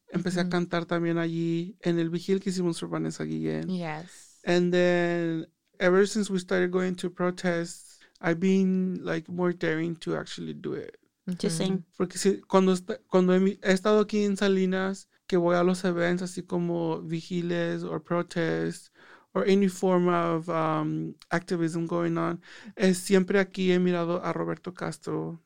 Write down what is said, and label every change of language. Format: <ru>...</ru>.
<es>Empecé a cantar también allí en el vigil que hicimos por Vanessa Guillén.</es> <en>Yes. And then ever since we started going to protests, I've been like more daring to actually do it. Just saying.</en> <es>Porque si, cuando he estado aquí en Salinas, que voy a los eventos, así como vigiles</es> <en>or protests or any form of activism going on,</en> <es>es siempre aquí he mirado a Roberto Castro.</es>